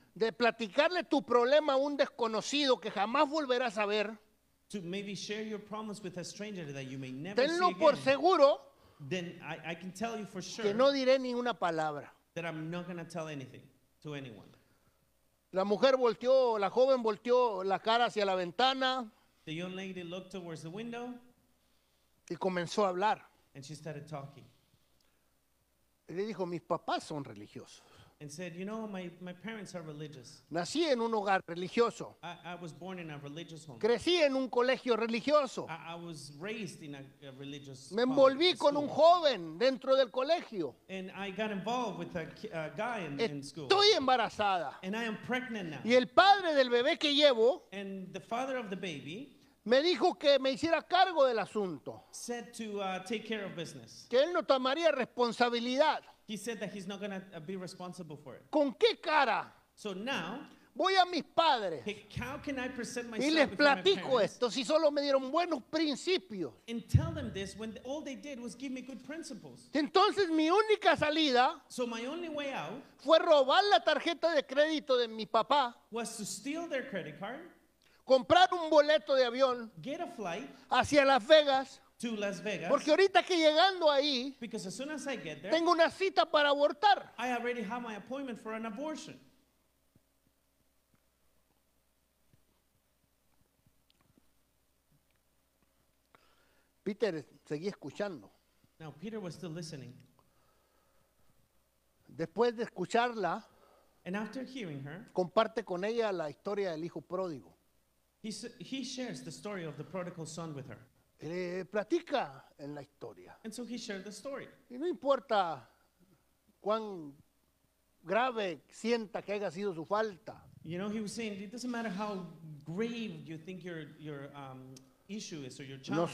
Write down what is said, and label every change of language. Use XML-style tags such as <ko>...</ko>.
<es>de platicarle tu problema a un desconocido que jamás volverás a ver,</es> <en>to maybe share your promise with a stranger that you may never</en> <es>tenlo</es> <en>see again,</en> <es>por seguro,</es> <en>then I can tell you for sure</en> <es>que no diré ni una palabra.</es> <en>That I'm not going to tell anything to anyone.</en> <es>La mujer volteó, la joven volteó la cara hacia la ventana.</es> <en>The young lady looked towards the window.</en> <es>Y comenzó a hablar.</es> <en>And she started talking.</en> <es>Y le dijo, mis papás son religiosos.</es> <en>And said, you know, my parents are religious.</en> <es>Nací en un hogar religioso.</es> <en>I was born in a religious home.</en> <es>Crecí en un colegio religioso.</es> <en>I was raised in a religious</en> <es>Me envolví</es> <en>college,</en> <es>con</es> <en>school.</en> <es>Un joven dentro del colegio.</es> <en>And I got involved with a guy in school.</en> <es>Estoy embarazada.</es> <en>And I am pregnant now.</en> <es>Y el padre del bebé que llevo.</es> <en>And the father of the baby.</en> <es>Me dijo que me hiciera cargo del asunto.</es> <en>Said to take care of business.</en> <es>Que él no tomaría responsabilidad.</es> <en>He said that he's not going to be responsible for it.</en> <es>¿Con qué cara?</es> <en>So now,</en> <es>voy a mis padres.</es> <en>How can I present myself</en> <es>y les platico esto si solo me dieron buenos principios.</es> <en>And tell them this when all they did was give me good principles.</en> <es>Entonces mi única salida</es> <en>so my only way out</en> <es>fue robar la tarjeta de crédito de mi papá.</es> <en>Was to steal their credit card.</en> <es>Comprar un boleto de avión</es> <en>get a flight</en> <es>hacia Las Vegas,</es> <en>to Las Vegas</en> <es>porque ahorita que llegando ahí</es> <en>because as soon as I get there,</en> <es>tengo una cita para abortar.</es> <en>I already have my appointment for an abortion.</en> <es>Peter seguía escuchando.</es> <en>Now Peter was still listening.</en> <es>Después de escucharla</es> <en>and after hearing her,</en> <es>comparte con ella la historia del hijo pródigo.</es> <en>He shares the story of the prodigal son with her.</en> <es>Le platica en la historia.</es> <en>And so he shared the story.</en> <es>Y no importa cuán grave sienta que haya sido su falta.</es> <en>You know, he was saying, it doesn't matter how grave you think your issue is or your challenge.</en>